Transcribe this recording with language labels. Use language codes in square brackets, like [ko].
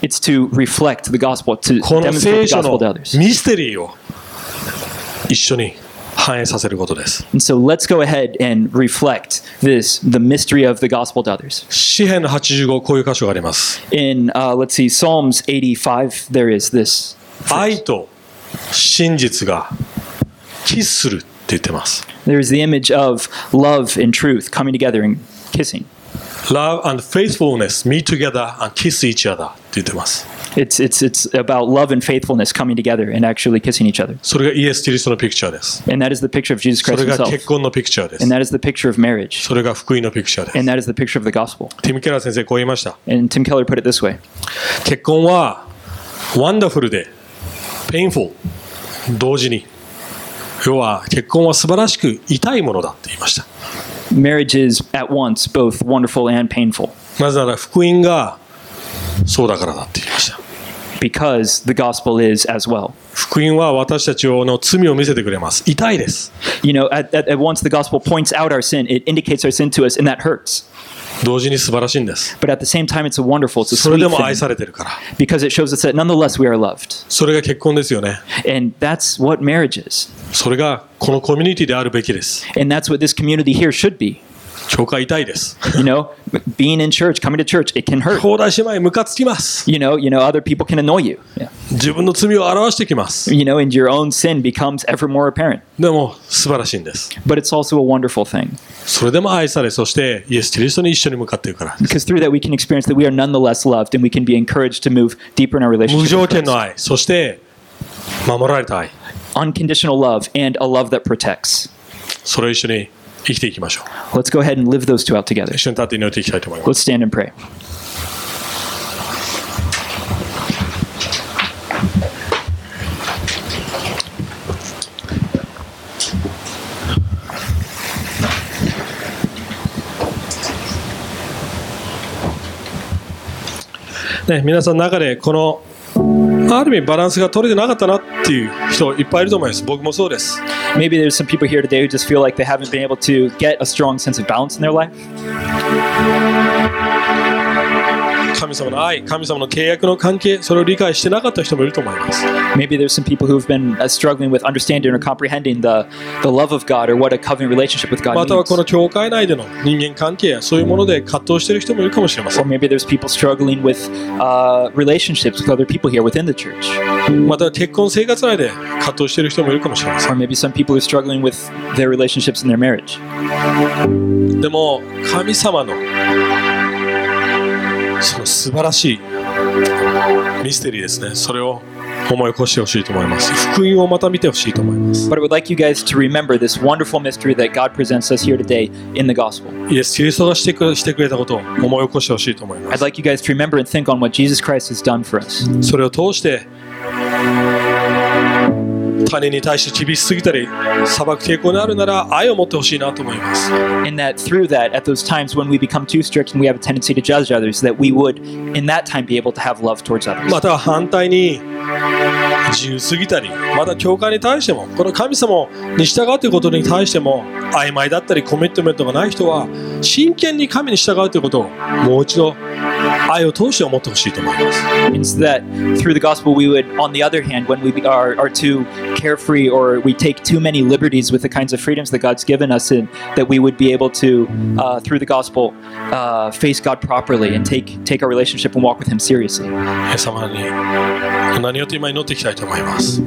[en] It's to reflect the gospel, to demonstrate the gospel to others. [ja] この聖書のミステリーを一緒に反映させることです。 [en] And so let's go ahead and reflect this, the mystery of the gospel to others. [ja] 詩篇85、こういう箇所があります。 [en] In, let's see, Psalms 85, there is this. [ja] 愛と真実がキスするって言ってます。 [en] There is the image of love and truth coming together and kissing. Love and faithfulness meet together and kiss each other [ja] って言ってます。 [en] It's about love and faithfulness coming together and actually kissing each other. [ja] それがイエス・キリストのピクチャーです。 [en] And that is the picture of Jesus Christ himself. [ja] それが結婚のピクチャーです。 [en] And that is the picture of marriage. [ja] それが福音のピクチャーです。 [en] And that is the picture of the gospel. [ja] ティム・ケラー先生こう言いました。 [en] And Tim Keller put it this way. [ja] 結婚は wonderful で painful 同時に要は結婚は素晴らしく痛いものだって言いました。 [en] Marriage is at once both wonderful and painful. [ja] なぜなら福音がそうだからだって言いました。 [en] Because the gospel is as well. [ja] 福音は私たちの罪を見せてくれます。痛いです。 [en] You know, at once the gospel points out our sin, it indicates our sin to us, and that hurts. [ja] 同時に素晴らしいんです。 [en] But at the same time, it's a wonderful, it's a sweet thing. [ja] それでも愛されてるから。 [en] Because it shows us that nonetheless we are loved. [ja] それが結婚ですよね。 [en] And that's what marriage is. [ja] それがこのコミュニティであるべきです。 [en] And that's what this community here should be. [ja] 教会痛いです。 [en] You know, being in church, coming to church, it can hurt. [ja] 兄弟姉妹ムカつきます。 [en] You know, other people can annoy you. [ja] 自分の罪を表してきます。 [en] You know, and your own sin becomes ever more apparent. [ja] でも素晴らしいんです。 [en] But it's also a wonderful thing. [ja] それでも愛され、そしてイエス・キリストに一緒に向かっているから。 [en] Because through that we can experience that we are nonetheless loved and we can be encouraged to move deeper in our relationship. [ja] 無条件の愛、そして守られた愛。 [en] Unconditional love and a love that protects. [ja] それ一緒に。生きていきましょう。 [en] Let's go ahead and live those two out together. [ja] 一緒に立って祈っていきたいと思います。 [en] Let's stand and pray. [ja] 皆さんの中でこのある意味バランスが取れてなかったなっていう人いっぱいいると思います。僕もそうです。 [en] Maybe there's some people here today who just feel like they haven't been able to get a strong sense of balance in their life. [ja] 神様の愛、神様の契約の関係、それを理解してなかった人もいると思います。 [en] Maybe there's some people who've been struggling with understanding or comprehending the love of God or what a covenant relationship with God [ja] means. またはこの教会内での人間関係、そういうもので葛藤している人もいるかもしれません。 [en] Or maybe there's people struggling with relationships with other people here within the church. [ja] また結婚生活内で葛藤している人もいるかもしれません。 [en] Or maybe some people are struggling with their relationships in their marriage. [ja] でも神様のその素晴らしいミステリーですね。それを思い起こしてほしいと思います。福音をまた見てほしいと思います。 [en] But I would like you guys to remember this wonderful mystery that God presents us here today in the gospel. [ja] イエス・キリストがしてくれたことを思い起こしてほしいと思います。 [en] I'd like you guys to remember and think on what Jesus Christ has done for us. [ja] それを通して他人に対して厳しすぎたり裁く傾向にあるなら愛を持ってほしいなと思います。 [en] And that through that, at those times when we become too strict and we have a tendency to judge others, that we would, in that time, be able to have love towards others. [ja] また反対に自由すぎたり、また教会に対しても、この神様に従うということに対しても曖昧だったりコミットメントがない人は、真剣に神に従うということをもう一度愛を通して思ってほしいと思います。 [en] It's that through the gospel we would, on the other hand, when we are too carefree or we take too many liberties with the kinds of freedoms that God's given us, and that we would be able to, through the gospel, face God properly and take our relationship and walk with Him seriously. [ja] 神様に何よって今祈っていきたいと思います。